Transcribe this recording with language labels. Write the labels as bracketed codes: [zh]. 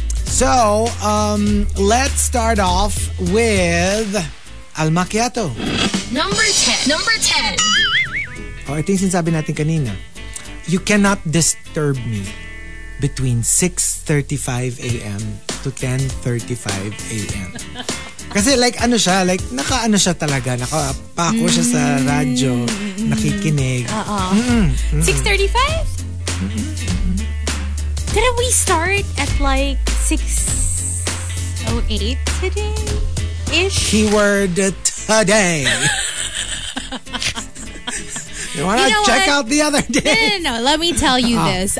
[en] So, let's start off with Al Macchiato. Number 10. [tl] Oh, ito yung sinasabi natin kanina. [en] You cannot disturb me between 6:35 a.m. to 10:35 a.m. [tl] Kasi like ano siya, like nakaano siya talaga, nakapako siya sa radyo, nakikinig. [en] Uh-oh. Mm-hmm. 6:35? Mm-hmm. Didn't we start at like 6:08 today-ish? Keyword today. You wanna check out the other day? No. Let me tell you this.